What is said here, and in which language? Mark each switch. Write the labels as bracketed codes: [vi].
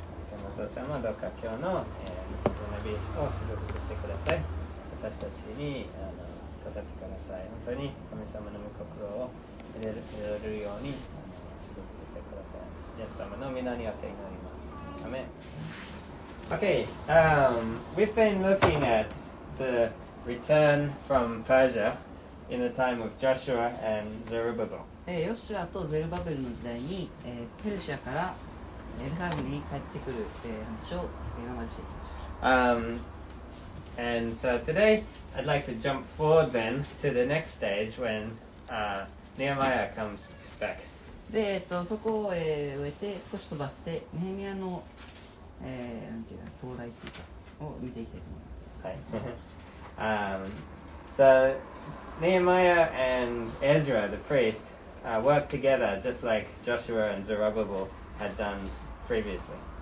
[ja] 天の父様、どうか今日の、学びを祝福してください。私たちに叩きください。本当に神様の御心を入れるように祝福してください。イエス様の御名によって祈ります。アメン。 [en] Okay, we've been looking at the return from Persia in the time of Joshua and Zerubbabel. [ja] ヨシュアとゼルバベルの時代に、ペルシアからエルサレムに帰ってくる、話を今までしています。 [en] And so today I'd like to jump forward then to the next stage when Nehemiah comes back. [ja] で、そこを、終えて少し飛ばしてネヘミヤの、なんていうか到来というかを見ていきたいと思います。はい。 [en] So Nehemiah and Ezra the priestwork together just like Joshua and Zerubbabel had done previously.